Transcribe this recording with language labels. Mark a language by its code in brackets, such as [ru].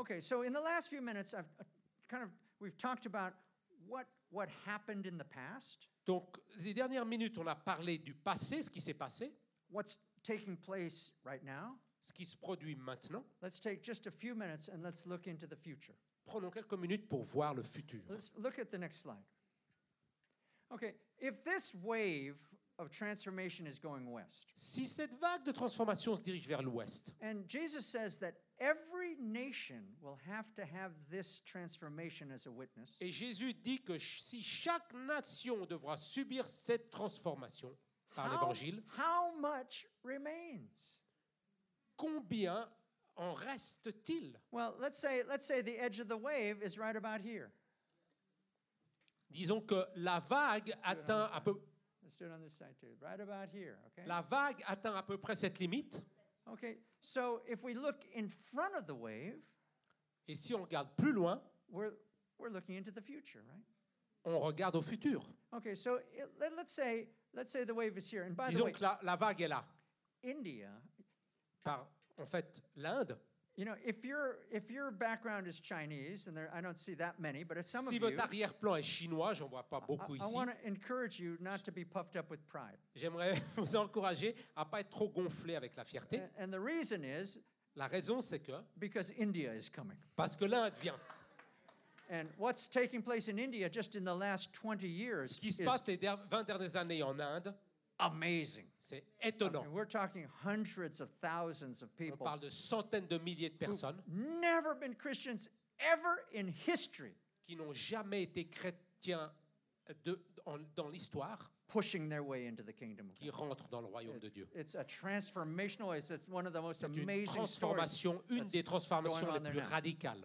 [en] Okay, so in the last few minutes, we've talked about what happened in the past. [fr] Donc, les dernières minutes, on a parlé du passé, ce qui s'est passé. [en] What's taking place right now? [fr] Ce qui se produit maintenant. [en] Let's take just a few minutes and let's look into the future. [fr] Prenons quelques minutes pour voir le futur. [en] Let's look at the next slide. Okay, if this wave of transformation is going west. [fr] Si cette vague de transformation se dirige vers l'ouest. [en] And Jesus says that every nation will have to have this transformation as a witness. [fr] Et Jésus dit que si chaque nation devra subir cette transformation par l'évangile. [en] How much remains? [fr] Combien en reste-t-il? [en] Well, let's say the edge of the wave is right about here. [fr] Disons que la vague atteint à peu. [en] Let's do it on this side too. Right about here, okay? [fr] La vague atteint à peu près cette limite. [en] Okay, so if we look in front of the wave, [fr] et si on regarde plus loin, [en] we're looking into the future, right? [fr] On regarde au futur. [en] Okay, so let's say the wave is here. And by [fr] disons [en] the way, [fr] la vague est là. [en] India. [fr] Par, en fait, l'Inde. [en] You know, if your background is Chinese, and I don't see that many, but if some [fr] si [en] of you. [fr] Si votre arrière-plan est chinois, j'en vois pas beaucoup ici. [en] I want to encourage you not to be puffed up with pride. [fr] J'aimerais vous encourager à pas être trop gonflé avec la fierté. [en] And the reason is. [fr] La raison c'est que. [en] Because India is coming. [fr] Parce que l'Inde vient. [en] And what's taking place in India just in the last 20 years? [fr] Ce qui se passe les 20 dernières années en Inde. [en] Amazing. [fr] C'est étonnant. [en] I mean, we're talking hundreds of thousands of people. [fr] On parle de centaines de milliers de personnes. [en] Never been Christians ever in history. [fr] Qui n'ont jamais été chrétiens dans l'histoire. [en] Pushing their way into the kingdom. [fr] Qui rentrent dans le royaume de Dieu. [en] It's a transformational. It's one of the most amazing stories. [fr] Une transformation, une des transformations les plus radicales.